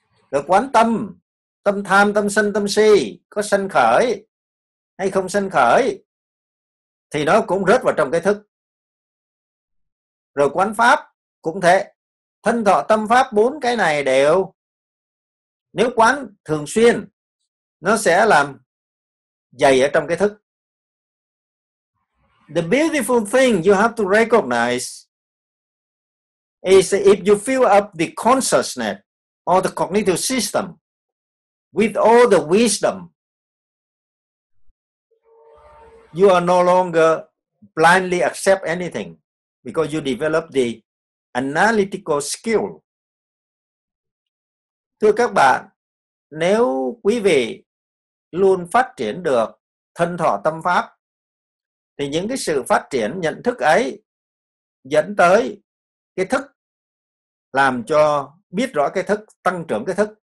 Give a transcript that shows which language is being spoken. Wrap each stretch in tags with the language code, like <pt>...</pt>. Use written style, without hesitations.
<vi>Rồi quán tâm, tâm tham, tâm sân, tâm si, có sanh khởi hay không sanh khởi, thì nó cũng rớt vào trong cái thức. Rồi quán pháp cũng thế. Thân thọ tâm pháp, bốn cái này đều, nếu quán thường xuyên, nó sẽ làm dày ở trong cái thức.</vi> <en>The beautiful thing you have to recognize is if you fill up the consciousness or the cognitive system with all the wisdom, you are no longer blindly accept anything because you develop the analytical skill.</en> <vi>Thưa các bạn, nếu quý vị luôn phát triển được thân thọ tâm pháp, thì những cái sự phát triển nhận thức ấy dẫn tới cái thức, làm cho biết rõ cái thức, tăng trưởng cái thức.</vi>